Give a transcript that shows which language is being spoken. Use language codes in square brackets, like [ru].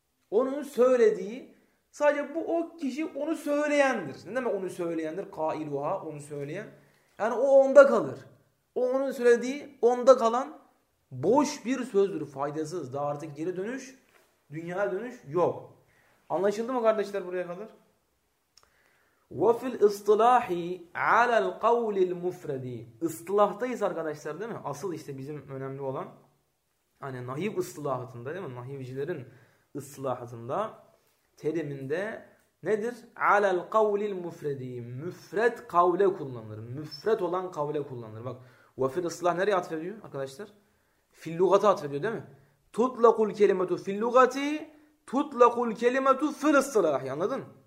[tr] Onun söylediği, sadece bu o kişi onu söyleyendir. Ne demek onu söyleyendir? Kailuha onu söyleyen. Yani o onda kalır. O onun söylediği onda kalan boş bir sözdür. Faydasız. Daha artık geri dönüş, dünyaya dönüş yok. Anlaşıldı mı kardeşler buraya kadar? [ar] وَفِ الْاِصْطِلَاحِ عَلَى الْقَوْلِ الْمُفْرَد۪ي [tr] İstilahtayız arkadaşlar değil mi? Asıl işte bizim önemli olan hani nahiv ıstılahatında değil mi? Nahivcilerin ıstılahatında teriminde nedir? [ar] عَلَى الْقَوْلِ الْمُفْرَد۪ي [tr] Müfret kavle kullanılır. Müfret olan kavle kullanılır. Bak [ar] وَفِ الْاِصْطِلَاحِ [tr] nereye atfediyor arkadaşlar? [ar] فِي الْلُغَةَ [tr] atfediyor değil mi? [ar] تُطْلَقُ الْكَلِمَةُ فِي الْلُغَةِ تُطْلَقُ الْكَلِمَةُ فِي الْاِصْطِلَاحِ [tr] Anladın?